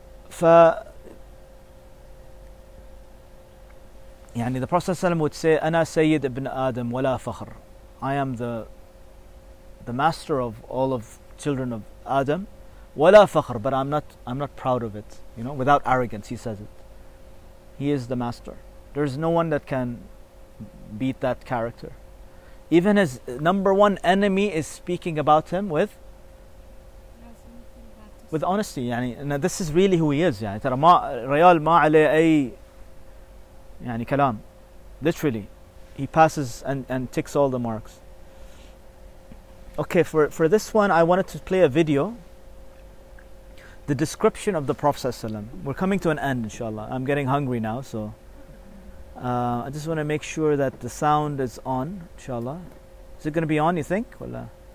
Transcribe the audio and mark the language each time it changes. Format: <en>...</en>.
<ar>ف يعني</ar> <en>the Prophet</en> <ar>صلى الله عليه وسلم</ar> <en>would say</en> <ar>أنا سيد ابن آدم ولا فخر.</ar> <en>I am the master of all of children of Adam.</en> <ar>وَلَا فَخْرٌ</ar> <en>But I'm not proud of it. You know, without arrogance, he says it. He is the master. There is no one that can beat that character. Even his number one enemy is speaking about him with honesty. يعني, and this is really who he is.</en> <ar>يعني, ترى ما, ريال ما علي أي, يعني, كلام.</ar> <en>Literally. He passes and ticks all the marks. Okay, for this one, I wanted to play a video. The description of the Prophet ﷺ. We're coming to an end, inshallah. I'm getting hungry now, so I just want to make sure that the sound is on, inshallah. Is it going to be on, you think? Wallah.</en>